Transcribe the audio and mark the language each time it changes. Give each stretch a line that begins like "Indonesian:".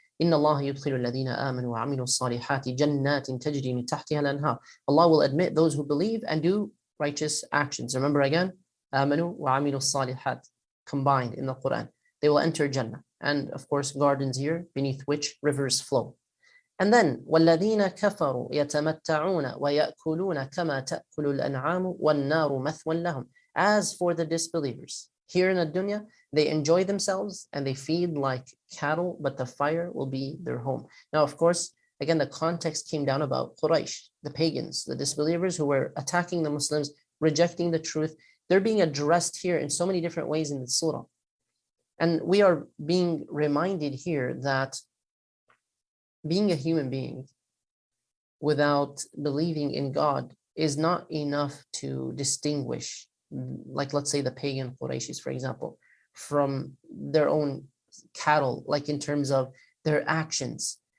Arabic: إِنَّ اللَّهَ يُدْخِلُ الَّذِينَ آمَنُوا وَعَمِلُوا الصَّالِحَاتِ جَنَّاتٍ تَجْرِي مِنْ تَحْتِهَا الْأَنْهَارِ.
English: Allah will admit those who believe and do righteous actions. Remember again,
Arabic: آمَنُوا وَعَمِلُوا الصَّالِحَاتِ
English: combined in the Quran. They will enter Jannah. And of course, gardens here beneath which rivers flow. And then,
Arabic: وَالَّذِينَ كَفَرُوا يَتَمَتَّعُونَ وَيَأْكُلُونَ كَمَا تَأْكُلُ الْأَنْعَامُ وَالنَّارُ مَثْوًا لَهُمْ.
English: As for the disbelievers, here in the dunya, they enjoy themselves and they feed like cattle, but the fire will be their home. Now, of course, again, the context came down about Quraysh, the pagans, the disbelievers who were attacking the Muslims, rejecting the truth. They're being addressed here in so many different ways in the surah. And we are being reminded here that being a human being without believing in God is not enough to distinguish, like let's say the pagan Qurayshis, for example, from their own cattle, like in terms of their actions.